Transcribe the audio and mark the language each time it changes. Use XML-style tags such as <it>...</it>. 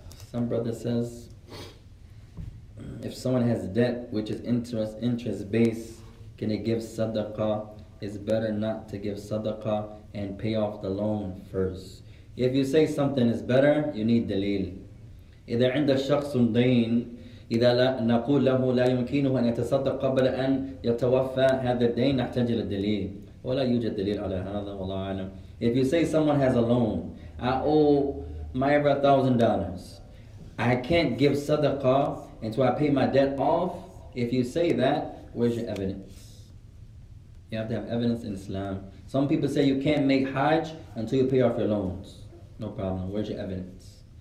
<en>Some brother says, if someone has debt, which is interest-based, can they give sadaqah? It's better not to give sadaqah and pay off the loan first. If you say something is better, you need dalil.</en> <ar>إذا عند الشخص دين إذا نقول له لا يمكنه أن يتصدق قبل أن يتوفى هذا الدين نحتاج إلى دليل ولا يوجد دليل على هذا والله أعلم.</ar> <en>If you say someone has a loan, I owe my brother $1,000. I can't give sadaqah until I pay my debt off. If you say that, where's your evidence? You have to have evidence in Islam. Some people say you can't make hajj until you pay off your loans. No problem. Where's your evidence?</en>